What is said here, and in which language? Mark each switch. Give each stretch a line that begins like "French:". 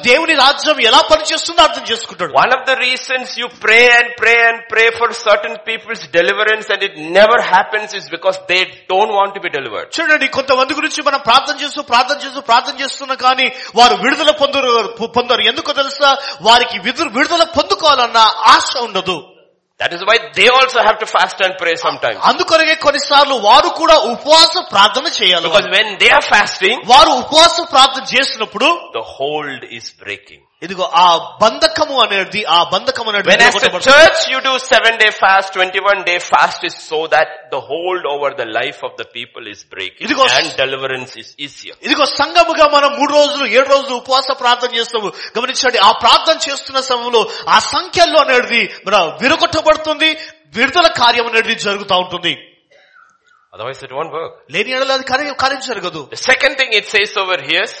Telugu: దేవుని రాజ్యం ఎలా పనిచేస్తుందో అర్థం చేసుకుంటాడు.
English: One of the reasons you pray and pray and pray for certain people's deliverance and it never happens is because they don't want to be delivered.
Telugu: చూడండి, కొంతమంది గురించి మనం ప్రార్థన చేస్తూ ప్రార్థన చేస్తూ ప్రార్థన చేస్తున్నా కానీ వారు విడుదల పొందరు. ఎందుకో తెలుసా? వారికి విడుదల పొందుకోవాలన్న ఆశ ఉండదు.
English: That is why they also have to fast and pray sometimes.
Telugu: అందుకొరకే కొన్నిసార్లు వారు కూడా ఉపవాస ప్రార్థన చేయాలి.
English: Because when they are fasting,
Telugu: వారు ఉపవాస ప్రార్థన చేసినప్పుడు
English: the hold is breaking.
Telugu: ఇదిగో ఆ బంధకము అనేది, ఆ బంధకం అనేది.
English: When as a church you do 7-day fast, 21-day fast is so that the hold over the life of the people is breaking and deliverance is easier.
Telugu: ఇదిగో సంఘముగా మనం 3 రోజులు 7 రోజులు ఉపవాస ప్రార్థన చేస్తాము. గమనించండి, ఆ ప్రార్థన చేస్తున్న సమయంలో ఆ సంఖ్యలో అనేది మన విరగొట్టబడుతుంది, విడుదల కార్యం అనేది జరుగుతూ ఉంటుంది.
English: Otherwise it won't work.
Telugu: లేని ఎడల అది కార్యం జరగదు.
English: The second thing it says over here,